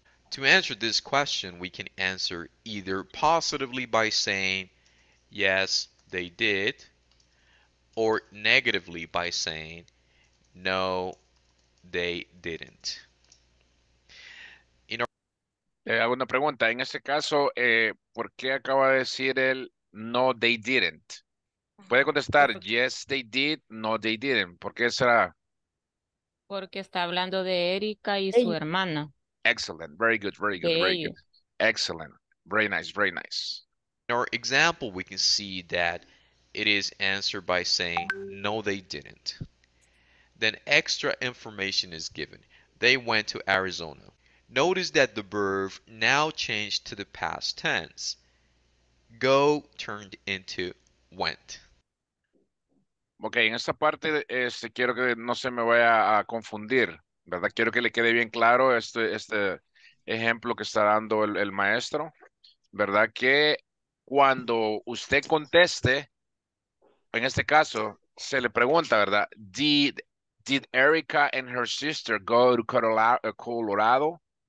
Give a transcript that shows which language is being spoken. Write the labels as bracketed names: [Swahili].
[English] To answer this question, we can answer either positively by saying, yes, they did, or negatively by saying, no, they didn't. [Spanish] Hago una pregunta. En este caso, ¿por qué acaba de decir él, [English] no, they didn't? [Spanish] Puede contestar, [English] yes, they did, no, they didn't. [Spanish] ¿Por qué será? Porque está hablando de Erika y su hermana. [English] Excellent. Very good. Very good. Very good. Excellent. Very nice. Very nice. In our example, we can see that it is answered by saying, no, they didn't. Then extra information is given. They went to Arizona. Notice that the verb now changed to the past tense. Go turned into went. [Spanish] Ok, en esta parte quiero que no se me vaya a confundir, ¿verdad? Quiero que le quede bien claro este ejemplo que está dando el maestro, ¿verdad? Que cuando usted conteste, en este caso, se le pregunta, ¿verdad? [English] Did Erica and her sister go to Colorado?